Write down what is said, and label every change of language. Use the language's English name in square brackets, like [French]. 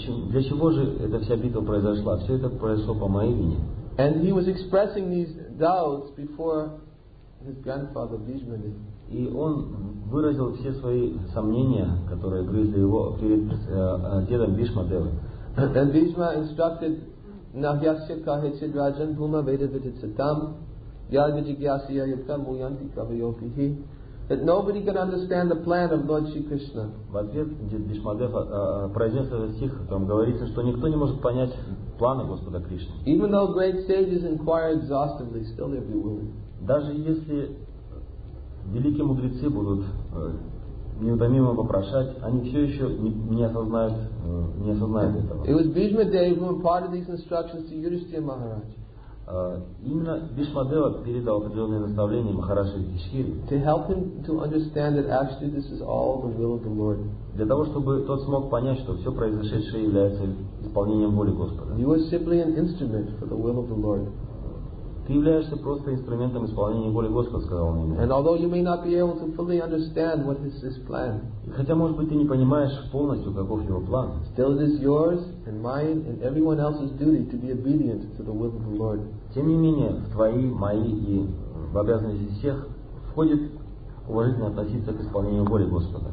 [Russian] Для чего же эта вся битва произошла? Все это произошло по моей вине. [English] And he was expressing these doubts before his grandfather Bhishma. [Russian] И он выразил все свои сомнения, которые грызли его перед дедом Бишма Девы. [English] And Bhishma instructed [Sanskrit] Nahyasyaka Hitsidrajan Bhuma Vedavititsitam Yadvijigyasya Yukta Muyanti Kavayopihi, [English] that nobody can understand the plan of Lord Shri Krishna. [Russian] В ответ Бхишма Дева произнес этот стих, там говорится, что никто не может понять планы Господа Кришны. [English] Even though great sages inquire exhaustively, still they'll be willing. [Russian] Даже если великие мудрецы будут неутомимо вопрошать, они все еще не осознают этого. [English] It was Bhishma Dev who imparted these instructions to Yudhishthira Maharaj. [Russian] Именно Бхишма Дева передал определенные наставления Махараджи Юдхиштхире. [English] To help him to understand that actually this is all the will of the Lord. [Russian] Для того чтобы тот смог понять, что все произошедшее является исполнением воли Господа. [English] You are simply an instrument for the will of the Lord. [Russian] Ты являешься просто инструментом исполнения воли Господа, сказал он ему. [English] And although you may not be able to fully understand what is this plan. [Russian] Хотя может быть ты не понимаешь полностью, каков его план. [English] Still it is yours and mine and everyone else's duty to be obedient to the will of the Lord. [Russian] Тем не менее, в твои, мои и в обязанности всех входит уважительно относиться к исполнению воли Господа.